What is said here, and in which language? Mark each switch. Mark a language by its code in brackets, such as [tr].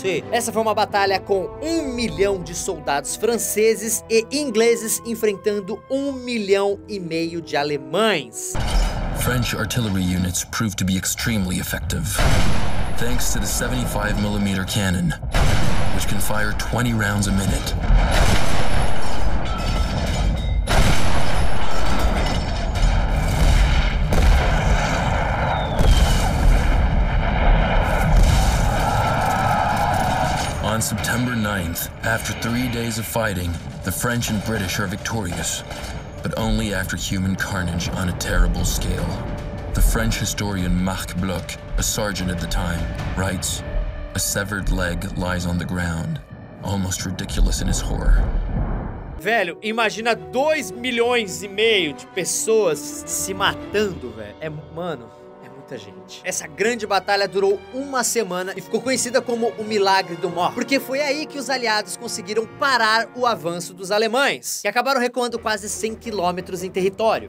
[pt] Essa foi uma batalha com 1 milhão de soldados franceses e ingleses enfrentando 1,5 milhão de alemães. [en] French artillery units proved to be extremely effective, thanks to the 75mm cannon, which can fire 20 rounds a minute. On September 9th, after 3 days of fighting, the French and British are victorious, but only after human carnage on a terrible scale. The French historian Marc Bloch, a sergeant at the time, writes, "A severed leg lies on the ground, almost ridiculous in his horror." [pt] Velho, imagina 2,5 milhões de pessoas se matando, velho. É, mano. muita gente. Essa grande batalha durou uma semana e ficou conhecida como o Milagre do Mor, porque foi aí que os aliados conseguiram parar o avanço dos alemães, que acabaram recuando quase 100 quilômetros em território.